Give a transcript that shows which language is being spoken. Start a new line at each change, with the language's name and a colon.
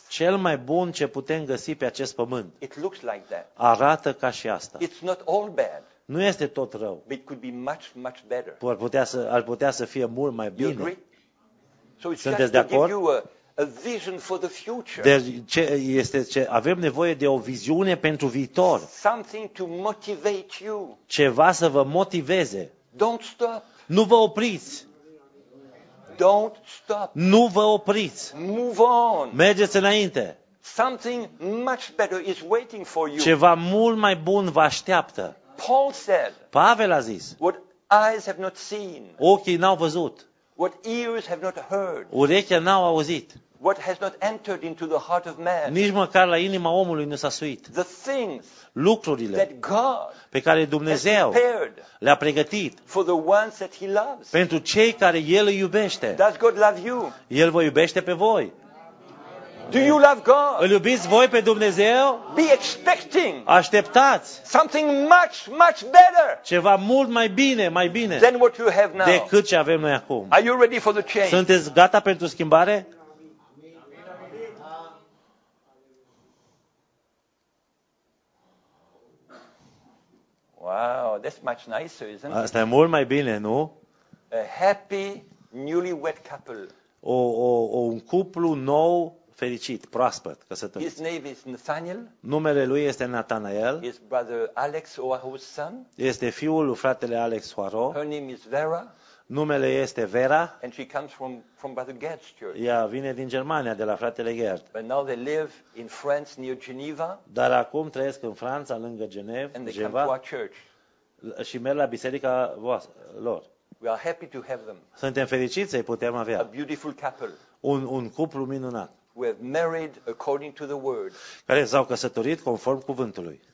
Romanian: Cel mai bun ce putem găsi pe acest pământ.
English: It looks like that.
Romanian: Arată ca și asta.
English: It's not all bad.
Romanian: Nu este tot rău.
English: But it could be much, much better.
Romanian: Ar putea să fie mult mai bine.
English: You agree?
Romanian: Sunteți de acord?
English: A vision for the future.
Romanian: Deci ce este ce avem nevoie de o viziune pentru viitor.
English: Something to motivate you.
Romanian: Ceva să vă motiveze.
English: Don't stop.
Romanian: Nu vă opriți.
English: Don't stop.
Romanian: Nu vă opriți.
English: Move on.
Romanian: Mergeți înainte.
English: Something much better is waiting for you.
Romanian: Ceva mult mai bun vă așteaptă.
English: Paul said.
Romanian: Pavel a zis.
English: What eyes have not seen.
Romanian: Ochii n-au văzut.
English: What ears have not heard.
Romanian: Urechea n-au auzit.
English: What has not entered into the heart of man.
Romanian: Nici măcar la inima omului nu s-a suit.
English: The things.
Romanian: Lucrurile.
English: That God.
Romanian: Pe care Dumnezeu le-a pregătit.
English: For the ones that he loves.
Romanian: Pentru cei care el îi iubește.
English: Does God love you?
Romanian: El vă iubește pe voi.
English: Do you love God?
Romanian: Îl iubiți voi pe Dumnezeu?
English: Be expecting.
Romanian: Așteptați.
English: Something much, much better.
Romanian: Ceva mult mai bine, mai bine.
English: Than what you have now.
Romanian: Decât ce avem noi acum.
English: Are you ready for the change?
Romanian: Sunteți gata pentru schimbare?
English: Wow, that's much nicer, isn't it?
Romanian: Asta e mult mai bine, nu?
English: A happy newlywed couple.
Romanian: Un cuplu nou. Fericit, proaspăt, căsătorit.
English: His name is Nathaniel.
Romanian: Numele lui este Nathanael.
English: His brother Alex Oahu's son.
Romanian: Este fiul lui fratele Alex Oahu.
English: Her name is Vera.
Romanian: Numele este Vera.
English: And she comes from brother Gerd's church.
Romanian: Ea vine din Germania, de la fratele Gerd.
English: But now they live in France near Geneva.
Romanian: Dar acum trăiesc în Franța, lângă Geneva.
English: And they come to our church.
Romanian: Și merg la biserica lor.
English: We are happy to have them.
Romanian: Suntem fericiți să-i putem avea.
English: A beautiful couple.
Romanian: Un cuplu minunat.
English: We have married according to the word.
Romanian: Care s-au căsătorit conform cuvântului.